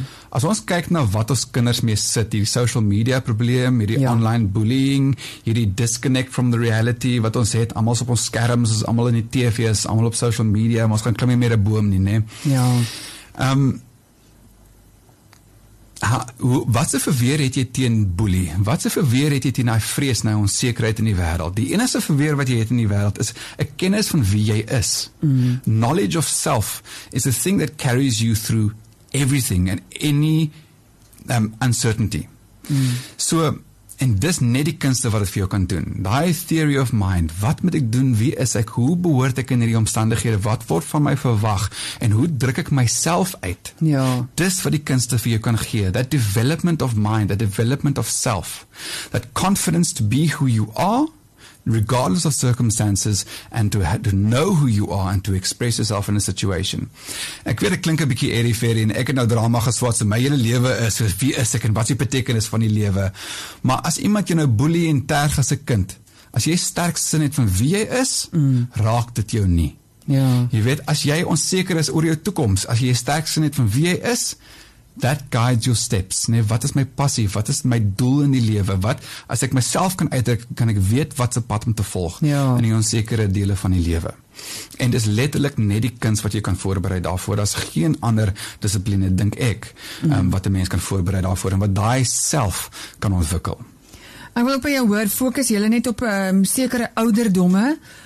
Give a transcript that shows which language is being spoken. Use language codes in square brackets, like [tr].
[af] As ons kyk na wat ons kinders mee sit, hierdie social media probleem, hierdie online bullying, hierdie [en] disconnect from the reality [af] wat ons het, almal op ons skerms, is almal in die TV's, almal op social media, maar ons kan klim nie meer 'n boom nie, nê? Ja. Wat se verweer het jy teen boelie? Wat se verweer het jy teen daai vrees, nou onsekerheid in die wêreld? Die enigste verweer wat jy het in die wêreld is 'n kennis van wie jy is. [en] Knowledge of self is a thing that carries you through everything and any uncertainty. [af] So, en dis net die kunste wat dit vir jou kan doen. Daai theory of mind, wat moet ek doen? Wie is ek? Hoe behoort ek in hierdie omstandighede? Wat word van my verwag? En hoe druk ek myself uit? Ja. Dis wat die kunste vir jou kan gee. [en] That development of mind, that development of self. That confidence to be who you are, regardless of circumstances, and to know who you are and to express yourself in a situation. [af] Ek weet, ek klink 'n bietjie airy-fairy en ek het nou drama geswats in my hele lewe is, so wie is ek en wat is die betekenis van die lewe? Maar as iemand jou nou boelie en terg as 'n kind, as jy sterk sin het van wie jy is, raak dit jou nie. Ja. Jy weet, as jy onseker is oor jou toekoms, as jy sterk sin het van wie jy is, [en] that guides your steps. [af] Nee, wat is my passie? Wat is my doel in die lewe? Wat, as ek myself kan uitdruk, kan ek weet wat se pad om te volg ja. in die onsekere dele van die lewe. En dis letterlik net die kuns wat jy kan voorberei daarvoor. Daar's geen ander dissipline, dink ek, wat 'n mens kan voorberei daarvoor en wat daai self kan ontwikkel. Ek wil op jou woord fokus julle net op sekere ouderdomme.